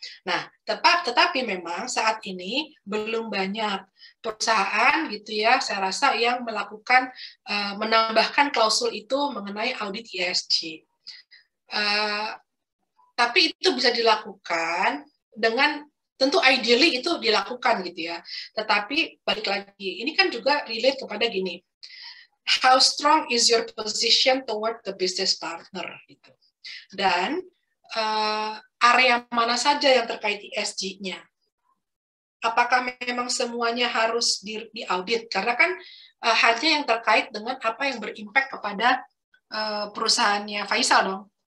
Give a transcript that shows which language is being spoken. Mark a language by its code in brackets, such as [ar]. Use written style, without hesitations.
[id] Nah, tetapi memang saat ini belum banyak perusahaan, gitu ya, saya rasa yang melakukan menambahkan klausul itu mengenai audit ESG. Tapi itu bisa dilakukan dengan tentu ideally itu dilakukan, gitu ya. Tetapi balik lagi, ini kan juga relate kepada gini. [en] How strong is your position toward the business partner? [id] Gitu. Dan area mana saja yang terkait ESG-nya? Apakah memang semuanya harus diaudit? Karena kan hanya yang terkait dengan apa yang berimpact kepada perusahaannya Faisal dong.